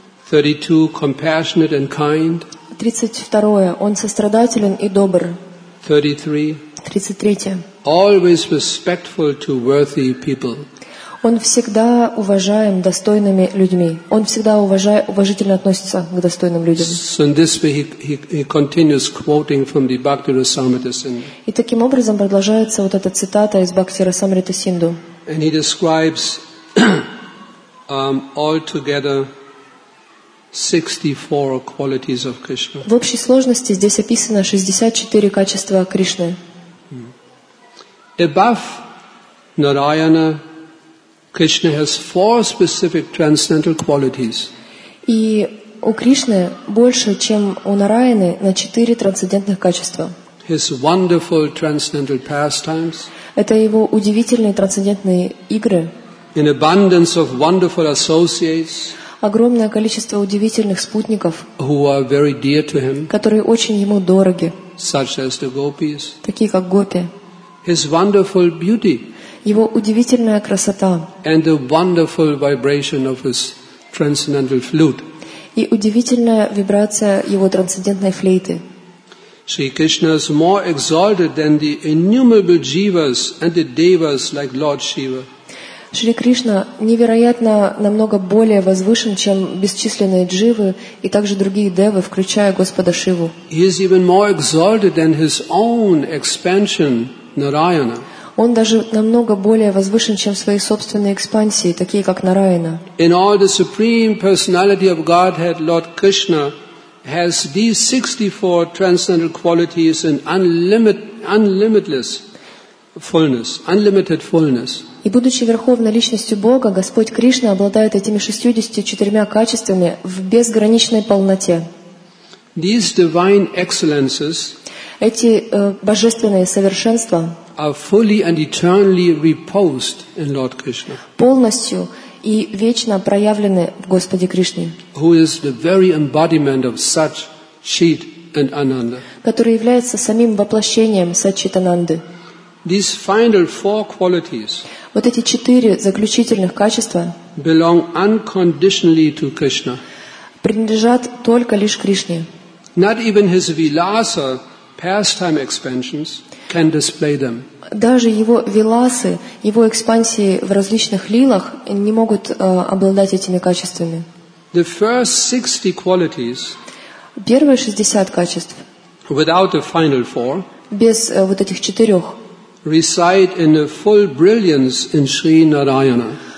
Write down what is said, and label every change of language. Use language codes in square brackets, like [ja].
[en] 32, compassionate and kind. 32. [ru] Он сострадателен и добр. [en] 33. Always respectful to worthy people. [ru] Он всегда уважаем достойными людьми. Он всегда уважительно относится к достойным людям. [en] So in this way he continues quoting from the Bhakti Rasamrita Sindhu. [ru] И таким образом продолжается вот эта цитата из Бхакти Расамрита Синду. [en] And he describes altogether 64 qualities of Krishna. [ru] В общей сложности здесь описано 64 качества Кришны. [en] Above Narayana, Krishna has four specific transcendental qualities. [ru] И у Кришны больше, чем у Нараяны, на 4 трансцендентных качества. [en] His wonderful transcendental pastimes. [ru] Это его удивительные трансцендентные игры. [en] An abundance of wonderful associates. [ru] Огромное количество удивительных спутников, [en] who are very dear to him, [ru] которые очень ему дороги, [en] such as the gopis, [ru] такие как гопи, [en] his wonderful beauty, [ru] его удивительная красота, [en] and the wonderful vibration of his transcendental flute, [ru] и удивительная вибрация его трансцендентной флейты. [en] Sri Krishna is more exalted than the innumerable jivas and the devas like Lord Shiva. [ru] Шри Кришна невероятно намного более возвышен, чем бесчисленные дживы и также другие девы, включая Господа Шиву. [en] He is even more exalted than his own expansion, Narayana. [ru] Он даже намного более возвышен, чем свои собственные экспансии, такие как Нараяна. [en] In all the supreme personality of Godhead, Lord Krishna has these 64 transcendental qualities in unlimited fullness. [ru] И будучи верховной личностью Бога, Господь Кришна обладает этими 64 качествами в безграничной полноте. [en] These divine excellences [ru] эти божественные совершенства [en] are fully and eternally reposed in Lord Krishna. [ru] Полностью и вечно проявлены в Господе Кришне. [en] Who is the very embodiment of such Chit and Ananda. [ru] Который является самим воплощением Сат-Чит-Ананды. [en] These final four qualities [ru] вот эти четыре заключительных качества [en] belong unconditionally to Krishna. [ru] Принадлежат только лишь Кришне. [en] Not even his vilasa pastime expansions can display them. [ru] Даже его виласы, его экспансии в различных лилах не могут обладать этими качествами. [en] The first 60 qualities [ru] первые 60 качеств [en] without the final four [ru] без вот этих четырех [en] reside in a full brilliance in Sri Narayana.